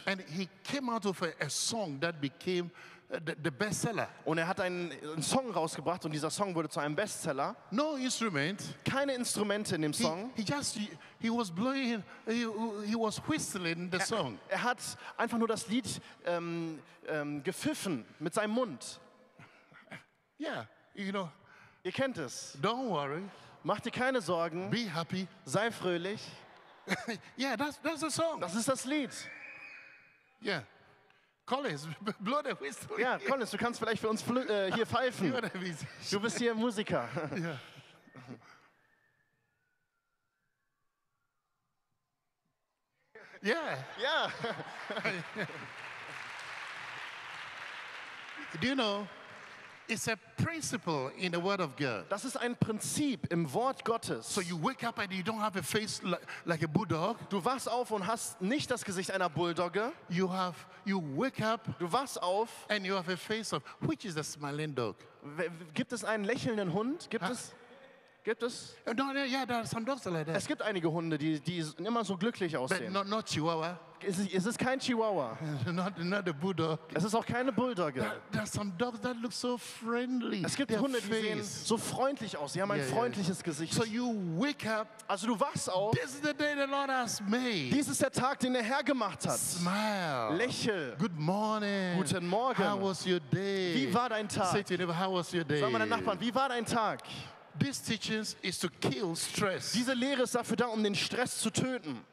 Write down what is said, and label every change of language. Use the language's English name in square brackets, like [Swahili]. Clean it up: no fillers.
[English] And he came out of a song that became the bestseller. [German] Und hat einen Song rausgebracht und dieser Song wurde zu einem Bestseller. [English] No instrument. [German] Keine Instrumente in dem Song. [English] He was whistling the song. [German] Er hat einfach nur das Lied gepfiffen mit seinem Mund. [English] Yeah, you know. [German] Ihr kennt es. [English] Don't worry. [German] Mach dir keine Sorgen. [English] Be happy. [German] Sei fröhlich. [English] Yeah, that's the song. [German] Das ist das Lied. [English] Yeah. Collins, blow the whistle. [German] Ja, Collins, du kannst vielleicht für uns hier pfeifen. Du bist hier Musiker. Ja. Ja. [English] Do you know, it's a principle in the Word of God. [German] Das ist ein Prinzip im Wort Gottes. [English] So you wake up and you don't have a face like a bulldog. [German] Du wachst auf und hast nicht das Gesicht einer Bulldogge. [English] You wake up. [German] Du wachst auf. [English] And you have a face of which is a smiling dog. [German] Gibt es einen lächelnden Hund? Gibt es? [English] No, yeah, there are some dogs like that. [German] Es gibt einige Hunde, die immer so glücklich aussehen. [English] But not Chihuahua. [German] Es ist kein Chihuahua. [English] Not a bulldog. [German] Es ist auch keine Bulldogge. [English] There are some dogs that look so friendly. [German] Es gibt [English] their [German] Hunde, [English] face. [German] Die sehen so freundlich aus. Sie haben ein freundliches Gesicht. [English] So you wake up. [German] Also du wachst auf. [English] This is the day the Lord has made. [German] Dies ist der Tag, den der Herr gemacht hat. [English] Smile. [German] Lächel. [English] Good morning. [German] Guten Morgen. [English] How was your day? [German] Wie war dein Tag? [English] Say to you, how was your day? [German] Sag mal deinen Nachbarn, wie war dein Tag? [English] This teaching is to kill stress. [German] Diese Lehre ist dafür da, den Stress zu töten.